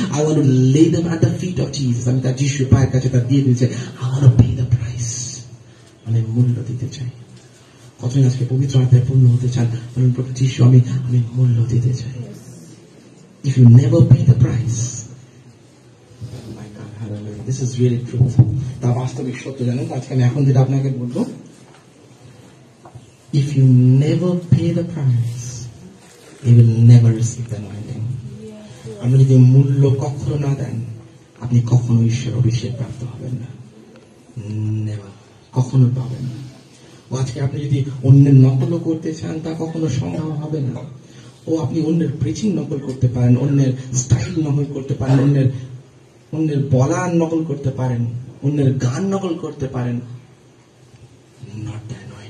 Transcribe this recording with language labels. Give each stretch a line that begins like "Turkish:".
English: I want to lay them at the feet of Jesus,
Bangla: আমি তার যিশু পায়ের কাছে তা দিয়ে দিতে চাই,
English: I want to pay the price,
Bangla: মানে মূল্য দিতে চাই। কতজন আজকে পবিত্র আত্মায় পূর্ণ হতে চান বলুন প্রভু যিশু আমি আমি মূল্য দিতে চাই।
English: if you never pay the price, my God, hallelujah, this is really truth,
Bangla: তা বাস্তবিক সত্য জানেন। আজকে আমি এখন যেটা আপনাকে বলবো,
English: if you never pay the price you will never receive the anointing.
Bangla: আপনি যদি মূল্য কখনো না দেন আপনি কখনো ঈশ্বর অভিষেক প্রাপ্ত হবেন না, never, কখনো পাবেন না। ও আজকে আপনি যদি অন্যের নকলও করতে চান তা কখনো সম্ভব হবে না। ও আপনি অন্যের প্রিচিং নকল করতে পারেন, অন্যের স্টাইল নকল করতে পারেন, অন্যের অন্যের বলার নকল করতে পারেন, অন্যের গান নকল করতে পারেন,
English: not that.